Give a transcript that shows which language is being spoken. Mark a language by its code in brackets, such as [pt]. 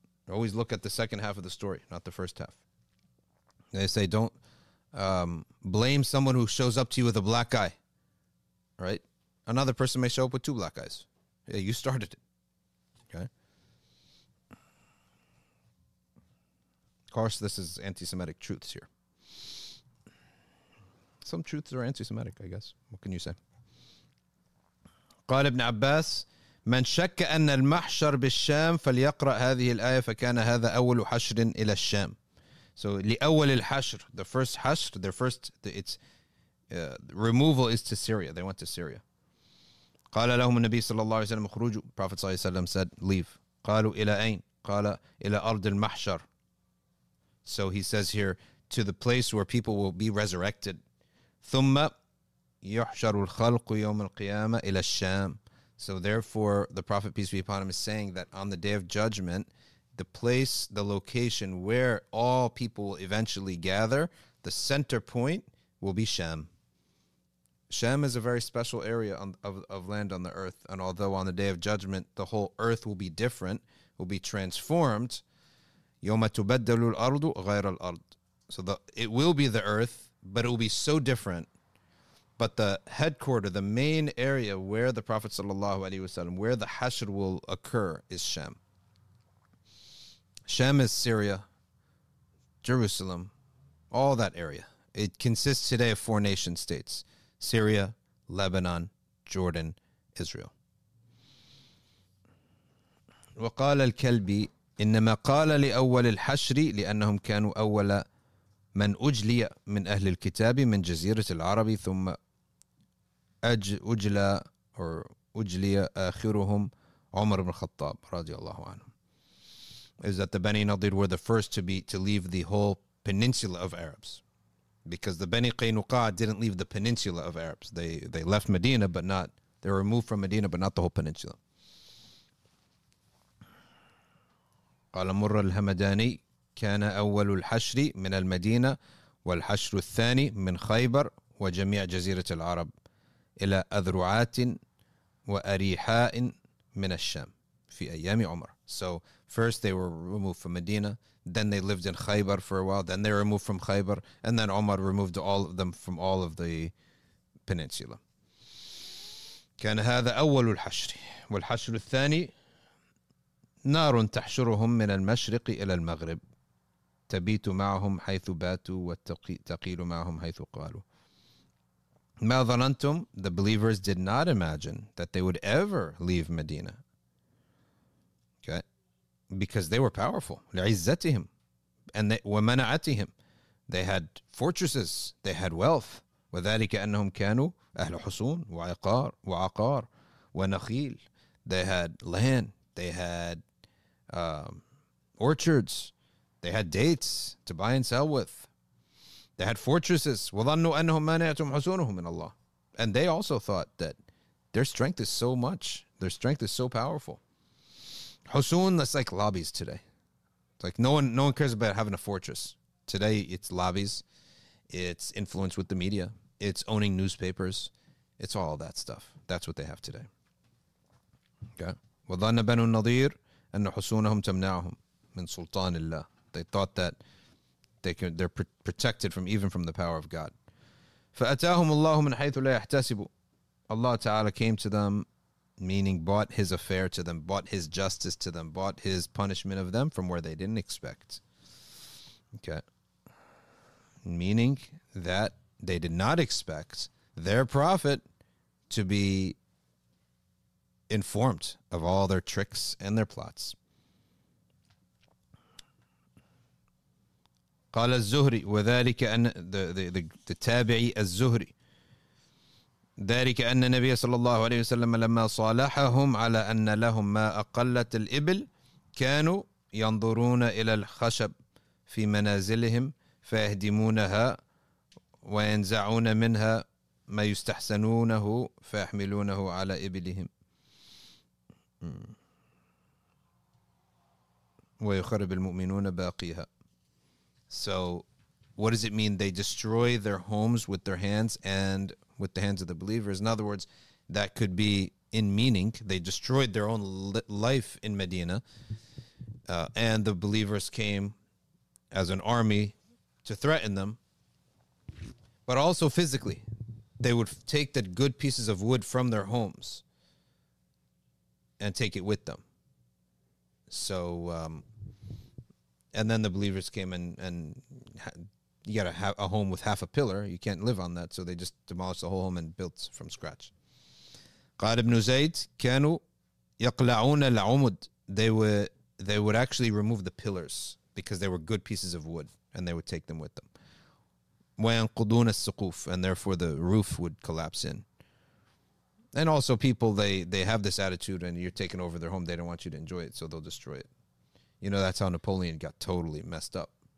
[en] Always look at the second half of the story, not the first half. They say, don't blame someone who shows up to you with a black eye, right? Another person may show up with two black eyes. Yeah, you started it, okay? Of course, this is anti-Semitic truths here. Some truths are anti-Semitic, I guess. What can you say? [ar] قال ابن عباس من شك أن المحشر بالشام فليقرأ هذه الآية فكان هذا أول حشر إلى الشام. [en] So [ar] لأول الحشر, [en] the first حشر, their first, removal is to Syria. They went to Syria. [ar] قال لهم النبي صلى الله عليه وسلم خروجوا. [en] Prophet صلى الله عليه وسلم said, leave. [ar] قالوا إلى أين؟ قال إلى أرض المحشر. [en] So he says here, to the place where people will be resurrected. [ar] ثم يحشر الخلق يوم القيامة إلى الشام. [en] So therefore, the Prophet, peace be upon him, is saying that on the Day of Judgment, the place, the location where all people will eventually gather, the center point will be Sham. Sham is a very special area of land on the earth. And although on the Day of Judgment, the whole earth will be different, will be transformed, [ar] يوم تبدل الأرض غير الأرض. [en] So it will be the earth, but it will be so different. But the headquarter, the main area where the Prophet sallallahu alaihi wasallam, where the hashr will occur, is Sham. Sham is Syria, Jerusalem, all that area. It consists today of four nation states: Syria, Lebanon, Jordan, Israel. [ar] وقال الكلبي إنما قال لأول الحشر لأنهم كانوا أول من أجلي من أهل الكتاب من جزيرة العرب ثم أجلى أو أجلى آخرهم عمر بن الخطاب رضي الله عنه. [en] Is that the Bani Nadir were the first to leave the whole peninsula of Arabs, because the Bani Qaynuqa didn't leave the peninsula of Arabs. They left Medina, but not, they were removed from Medina, but not the whole peninsula. [ar] قال مر الهمداني كان أول الحشر من المدينة والحشر الثاني من خيبر وجميع جزيرة العرب إلى أذرعات وأريحاء من الشام في أيام عمر. [en] So first they were removed from Medina, then they lived in Khaybar for a while, then they were removed from Khaybar, and then Umar removed all of them from all of the peninsula. [ar] كان هذا أول الحشر والحشر الثاني نار تحشرهم من المشرق إلى المغرب تبيت معهم حيث باتوا وتقيل معهم حيث قالوا. ما ظننتم, [en] the believers did not imagine that they would ever leave Medina. Okay, because they were powerful. [ar] لعزتهم [en] and [ar] ومنعتهم, [en] they had fortresses, they had wealth. [ar] وذلك أنهم كانوا أهل حصون وعقار ونخيل, [en] they had land, they had orchards, they had dates to buy and sell with. They had fortresses. [ar] وظنوا أنهم مانعتهم حصونهم من الله. [en] And they also thought that their strength is so much. Their strength is so powerful. حصون, that's like lobbies today. It's like no one cares about having a fortress. Today it's lobbies. It's influence with the media. It's owning newspapers. It's all that stuff. That's what they have today. Okay. [ar] وظن بنو النضير أن حصونهم تمنعهم من سلطان الله. [en] They thought that they're protected from even from the power of God. [ar] فأتاهم الله من حيث لا يحتسبوا. [en] Allah Ta'ala came to them, meaning brought his affair to them, brought his justice to them, brought his punishment of them from where they didn't expect. Okay. Meaning that they did not expect their prophet to be informed of all their tricks and their plots. [ar] قال الزهري وذلك أن the Tabi'i الزهري ذلك أن النبي صلى الله عليه وسلم لما صالحهم على أن لهم ما أقلت الإبل كانوا ينظرون إلى الخشب في منازلهم فيهدمونها وينزعون منها ما يستحسنونه فيحملونه على إبلهم ويخرب المؤمنون باقيها. [en] So what does it mean? They destroy their homes with their hands and with the hands of the believers. In other words, that could be in meaning. They destroyed their own life in Medina. And the believers came as an army to threaten them. But also physically, they would take the good pieces of wood from their homes and take it with them. So, and then the believers came and you got a home with half a pillar. You can't live on that. So they just demolished the whole home and built from scratch. [ar] قال ابن زيد كانوا يقلعون العمود. [en] They would actually remove the pillars because they were good pieces of wood and they would take them with them. [ar] وينقضون السقوف. [en] And therefore the roof would collapse in. And also people, they have this attitude and you're taking over their home. They don't want you to enjoy it. So they'll destroy it. You know, that's how Napoleon got totally messed up.